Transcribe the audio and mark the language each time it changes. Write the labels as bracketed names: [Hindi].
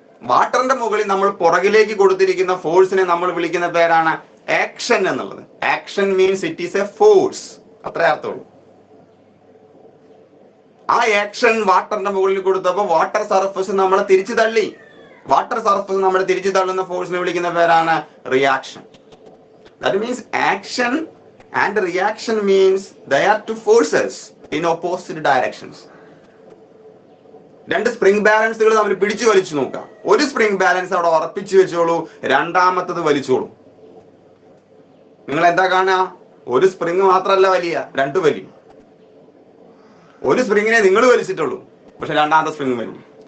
[Malayalam] വാട്ടറിന്റെ മുകളിൽ നമ്മൾ പുറകിലേക്ക് കൊടുത്തിരിക്കുന്ന ഫോഴ്സിനെ നമ്മൾ വിളിക്കുന്ന പേരാണ് ആക്ഷൻ എന്നുള്ളത്. [English] action means it is a force, [Malayalam] അത്രേ അർത്ഥമുള്ളൂ. ആ ആക്ഷൻ വാട്ടറിന്റെ മുകളിൽ കൊടുത്തപ്പോ വാട്ടർ സർഫസ് നമ്മളെ തിരിച്ചു തള്ളി. വാട്ടർ സർഫസ് നമ്മളെ തിരിച്ചു തള്ളുന്ന ഫോഴ്സിനെ വിളിക്കുന്ന പേരാണ് reaction. [English] That means action and reaction means they are two forces in opposite directions. [Malayalam] രണ്ട് സ്പ്രിംഗ് ബാലൻസുകൾ നമ്മൾ പിടിച്ചു വലിച്ചു നോക്കാം. ഒരു സ്പ്രിംഗ് ബാലൻസ് അവിടെ ഉറപ്പിച്ചു വെച്ചോളൂ, രണ്ടാമത്തത് വലിച്ചോളൂ. നിങ്ങൾ എന്താ കാണുക? ഒരു സ്പ്രിംഗ് മാത്രമല്ല വലിയ, രണ്ടു വലിയ. ഒരു സ്പ്രിങ്ങിനെ നിങ്ങൾ വലിച്ചിട്ടുള്ളൂ, പക്ഷെ രണ്ടാമത്തെ സ്പ്രിംഗ് വലിയ.